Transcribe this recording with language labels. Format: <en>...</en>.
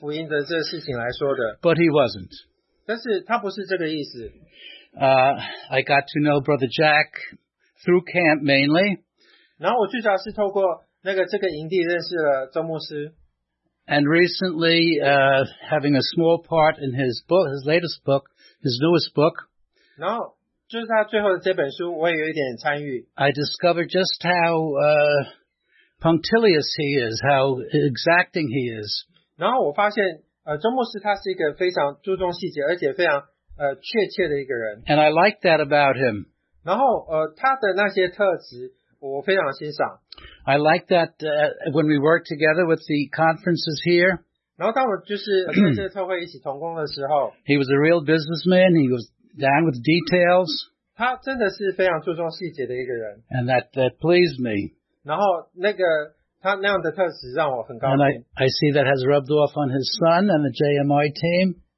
<zh>然后我也要后来就在了解说他是在就传福音的这个事情来说的。</zh> <en>But he wasn't.</en> <zh>但是他不是这个意思。</zh> <en>I got to know Brother Jack through camp mainly.</en> <zh>然后我最早是透过那个这个营地认识了周牧师。</zh> <en>And recently, having a small part in his book, his latest book, his newest book.</en> <zh>然后就是他最后的这本书，我也有一点参与。</zh> <en>I discovered just how punctilious he is, how exacting he is.</en> <zh>然后我发现, 周牧师他是一个非常注重细节, 而且非常, 确切的一个人。</zh> <en>And I like that about him.</en> <zh>然后, 他的那些特质我非常欣赏。</zh> <en>I like that when we work together with the conferences here.</en> <zh>然后当我就是在这个特会一起同工的时候,</zh> <en>he was a real businessman, he was down with details.</en> <zh>他真的是非常注重细节的一个人。</zh> <en>And that pleased me.</en> <zh>然后那个他那样的特质让我很高兴。</zh> <en>And I see that has rubbed off on his son and the JMI team.</en>